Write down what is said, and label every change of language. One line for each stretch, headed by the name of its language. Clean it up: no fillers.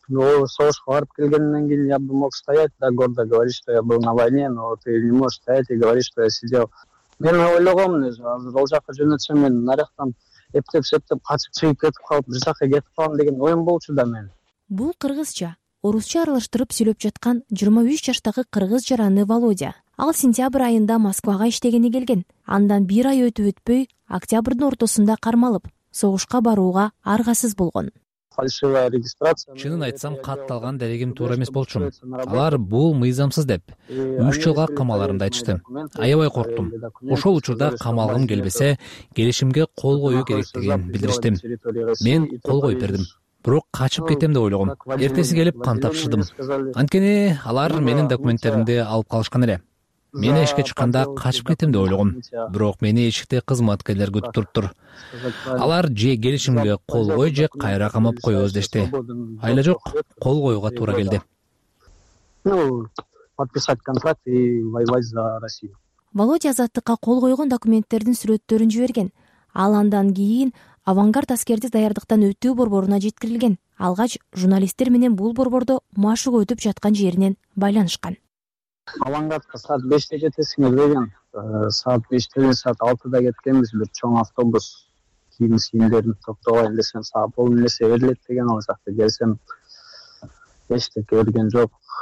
Kyrgyz: Согушка барып келгенден кийин
Russian: я бы мог стоять, да гордо говорить, что я был на войне, но ты не можешь стоять и говорить, что я сидел.
Kyrgyz: Мен ойлогом, ал жака жөнөтсөм, мен нарыктан эптеп-септеп качып чыгып кетип калып, бир жака кетип калам деген оюм болчу да мен. Бул кыргызча, орусча аралаштырып сүйлөп жаткан 23 жаштагы кыргыз жараны Володя. Ал сентябрь айында Москвага иштегени келген. Андан бир ай өтүп өтпөй, октябрдын ортосунда кармалып, согушка барууга аргасыз болгон. Чынын айтсам, катталган дарегим туура эмес болчу. Алар бул мыйзамсыз деп 3 жылга камаларымды айтышты. Аябай корктум. Ошол учурда камалгым келбесе, келишимге кол коюу керектигин билдириштим. Мен кол коюп бердим. Бирок качып кетем деп ойлогом. Эртеси келип кан тапшырдым. Анткени алар менин документтеримди алып калышкан эле. Мен эшикке чыкканда качып кетем деп ойлогом. Бирок мени эшикте кызматкерлер күтүп туруптур. Алар же келишимге кол кой же кайра камап коебуз дешти. Айла жок, кол коюуга туура келди.
Russian: Подписать контракт и воевать за Россию.
Kyrgyz: Володя азаттыкка кол койгон документтердин сүрөттөрүн жиберген. Ал андан кийин авангард аскерди даярдыктан өтүү борборуна жеткирилген. Алгач журналисттер менен бул борбордо машыгып өтүп жаткан жеринен байланышкан. Авангардка саат 5:00 жетесиңер деген, саат 5:00 саат 6:00 кеткенбиз, бир чоң автобус кийин сийимдерин топтобайын десем, саат 10:00 эмесе берилет деген, ал жакта келсем 5:00 көргөн жок.